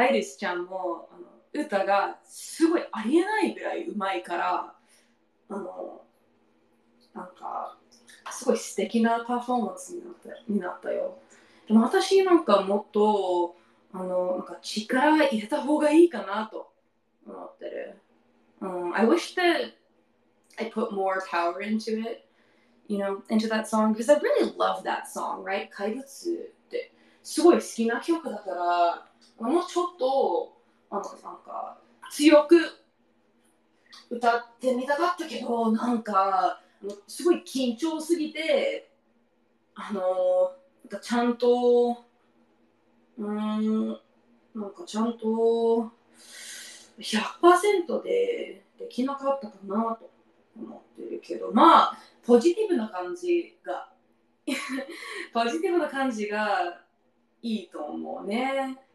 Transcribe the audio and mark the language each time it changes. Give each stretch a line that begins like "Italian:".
Japanese: アイリスちゃんも歌がすごいありえないぐらいうまいから、あのなんかすごい素敵なパフォーマンスになったよ。でも私なんかもっとあのなんか力入れた方がいいかなと思ってる。
English: I wish that I put more power into it, you know, into that song, because I really love that song, right?
Japanese: 怪物ってすごい好きな曲だから、もうちょっとあのなんか強く歌ってみたかったけど、なんかすごい緊張すぎて、あのなんかちゃんと、うん、なんかちゃんと 100% でできなかったかなと思ってるけど、まあポジティブな感じがポジティブな感じがいいと思うね。